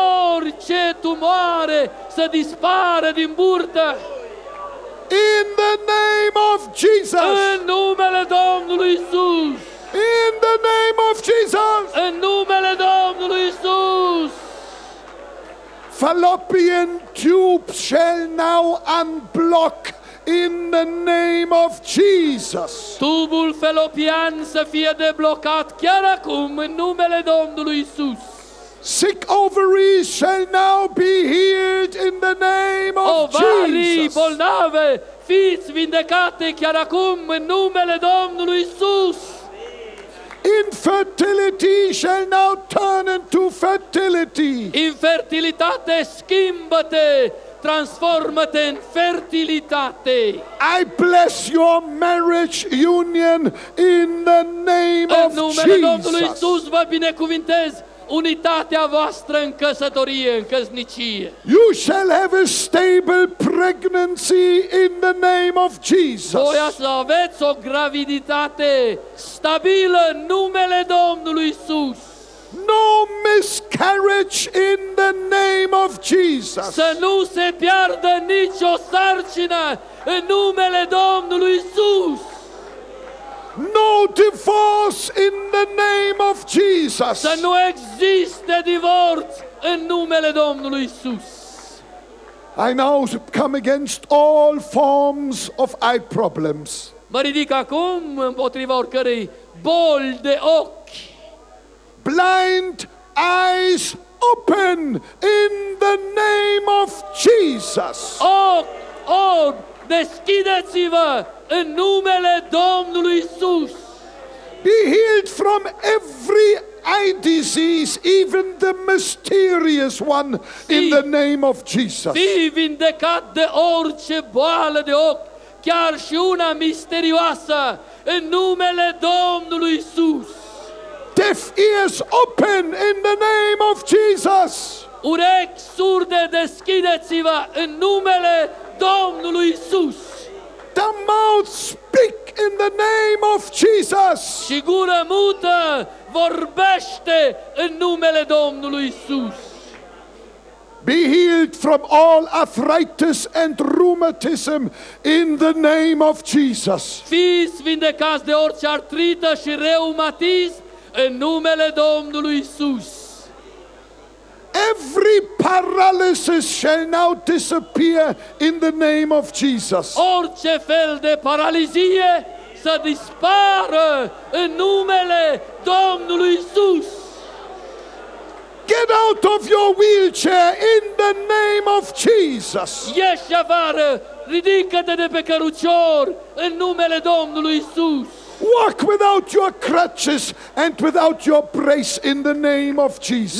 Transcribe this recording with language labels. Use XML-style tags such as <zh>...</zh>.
<ro>Orice tumoare să dispară din burtă.</ro> <en>In the name of Jesus.</en> <ro>În numele Domnului Iisus.</ro> <en>In the name of Jesus.</en> <ro>În numele Domnului Iisus.</ro> <en>Fallopian tubes shall now unblock in the name of Jesus.</en> <ro>Tubul felopian să fie deblocat chiar acum în numele Domnului Iisus.</ro> <en>Sick ovaries shall now be healed in the name of</en> <ro>ovarii</ro> <en>Jesus.</en> <ro>Ovarii bolnave, fiți vindecate chiar acum în numele Domnului Iisus.</ro> <en>Infertility shall now turn into fertility.</en> <ro>Infertilitate, schimbă-te, transformă-te în fertilitate.</ro> <en>I bless your marriage union in the name of Jesus.</en> <ro>În numele Domnului Iisus vă binecuvintez unitatea voastră în căsătorie, în căsnicie.</ro> <en>You shall have a stable pregnancy in the name of Jesus.</en> <ro>Voi să aveți o graviditate stabilă în numele Domnului Iisus.</ro> <en>No miscarriage in the name of Jesus.</en> <ro>Să nu se piardă nicio sarcină în numele Domnului Iisus.</ro> <en>No divorce in the name of Jesus.</en> <ro>Să nu existe divorț în numele Domnului Iisus.</ro> <en>I now come against all forms of eye problems.</en> <ro>Mă ridic acum împotriva oricărei boli de ochi.</ro> <en>Blind eyes open in the name of Jesus.</en> <ro>Ochi, deschideți-vă în numele Domnului Iisus.</ro> <en>Be healed from every eye disease, even the mysterious one, in the name of Jesus.</en> <ro>Fii vindecat de orice boală de ochi, chiar și una misterioasă, în numele Domnului Iisus.</ro> <en>Deaf ears open in the name of Jesus.</en> <ro>Urechi surde, deschideți-vă în numele Domnului Iisus.</ro> <en>The mouth speak in the name of Jesus.</en> <ro>Și gura mută vorbește în numele Domnului Iisus.</ro> <en>Be healed from all arthritis and rheumatism in the name of Jesus.</en> <ro>Fiți vindecați de orice artrită și reumatism în numele Domnului Iisus.</ro> <en>Every paralysis shall now disappear in the name of Jesus.</en> <ro>Orice fel de paralizie să dispară în numele Domnului Iisus.</ro> <en>Get out of your wheelchair in the name of Jesus.</en> <ro>Ieși afară, ridică-te de pe cărucior în numele Domnului Iisus.</ro> <en>Walk without your crutches and without your brace in the name of Jesus.</en>